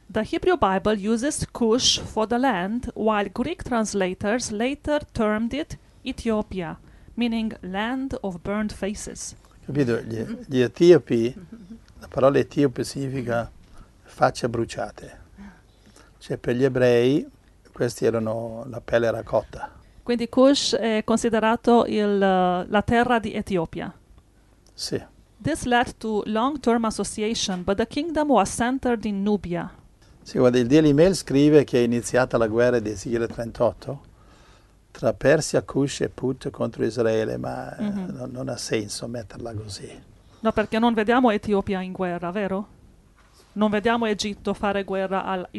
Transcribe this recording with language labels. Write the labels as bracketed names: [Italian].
[English] The Hebrew Bible uses Cush for the land, while Greek translators later termed it Ethiopia, meaning land of burned faces. [Italian] Capito? Gli etiopi, la parola etiope significa facce bruciate. Cioè per gli ebrei, questi erano la pelle era cotta. Quindi Cush è considerato la terra di Etiopia. Sì. [English] This led to long-term association, but the kingdom was centered in Nubia. [Italian] Sì, guarda, il Daily Mail scrive che è iniziata la guerra di Ezechiele 38 tra Persia, Cush e Put contro Israele, ma non ha senso metterla così. No, perché non vediamo Etiopia in guerra, vero? Non vediamo Egitto fare guerra a Israele.